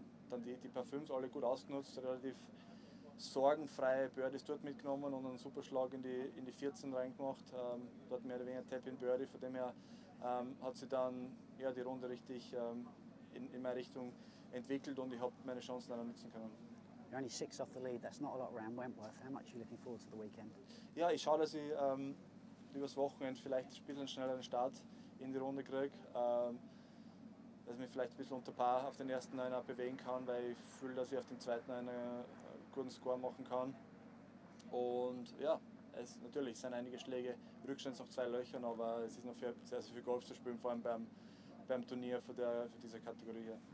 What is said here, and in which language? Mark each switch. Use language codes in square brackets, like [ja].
[de] Dann die paar Fünfs alle gut ausgenutzt, relativ sorgenfreie Birdies dort mitgenommen und einen super Schlag in die 14 reingemacht. Dort mehr oder weniger Tap-in Birdie, von dem her hat sie dann ja, die Runde richtig in meine Richtung entwickelt und ich habe meine Chancen dann nutzen können. [en] You're only 6 off the lead, that's not a lot around Wentworth. How much are you looking forward to the weekend? [de] Ja, ich schaue, dass ich übers Wochenende vielleicht ein bisschen schneller einen Start in die Runde kriege, dass ich mich vielleicht ein bisschen unter Paar auf den ersten Neuner bewegen kann, weil ich fühle, dass ich auf dem zweiten einen guten Score machen kann. Und ja, natürlich sind einige Schläge Rückstand noch 2 Löchern, aber es ist noch sehr, sehr viel Golf zu spielen, vor allem beim Turnier für diese Kategorie hier.